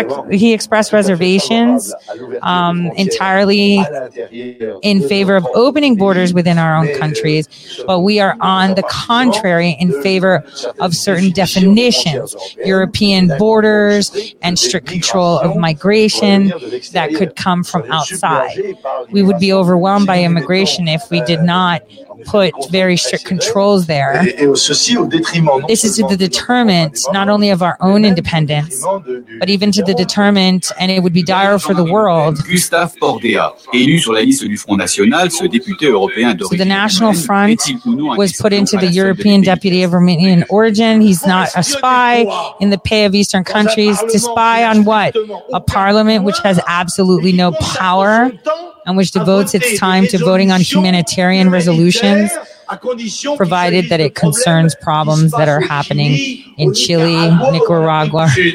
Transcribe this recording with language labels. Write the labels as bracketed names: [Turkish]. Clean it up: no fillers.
[English] He expressed reservations entirely in favor of opening borders within our own countries, but we are on the contrary in favor of certain definitions, European borders and strict control of migration that could come from outside. We would be overwhelmed by immigration if we did not put very strict controls there. This is to the detriment not only of our own independence, but even to the detriment, and it would be dire for the world. [French] Gustave Bordea, élu sur la liste du Front National, ce député européen d'origine. [English] So the National Front was put into the European deputy of Romanian origin. He's not a spy in the pay of Eastern countries. To spy on what? A parliament which has absolutely no power and which devotes its time to voting on humanitarian resolutions, provided that it concerns problems that are happening in Chile, Nicaragua.